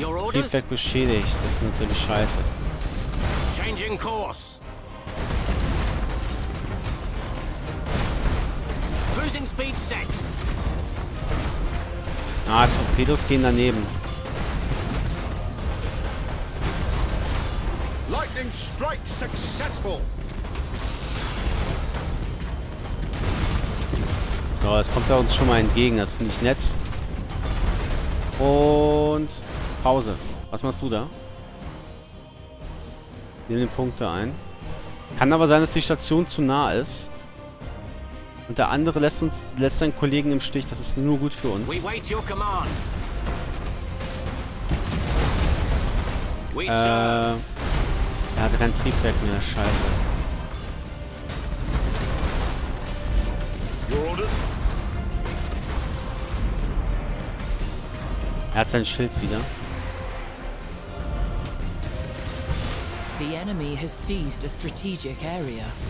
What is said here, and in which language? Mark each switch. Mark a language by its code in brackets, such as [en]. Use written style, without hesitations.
[de] Triebwerk beschädigt, das ist natürlich scheiße. [en] Changing course. Cruising speed set. [de] Ah, Torpedos gehen daneben. [en] Lightning strike successful. [de] So, das kommt er uns schon mal entgegen, das finde ich nett. Und Pause. Was machst du da? Nimm den Punkt da ein. Kann aber sein, dass die Station zu nah ist. Und der andere lässt uns, lässt seinen Kollegen im Stich. Das ist nur gut für uns. [en] We wait your command. [de] Er hatte kein Triebwerk mehr. Scheiße. [en] Your orders? [de] Er hat sein Schild wieder. [en] The enemy has seized a strategic area.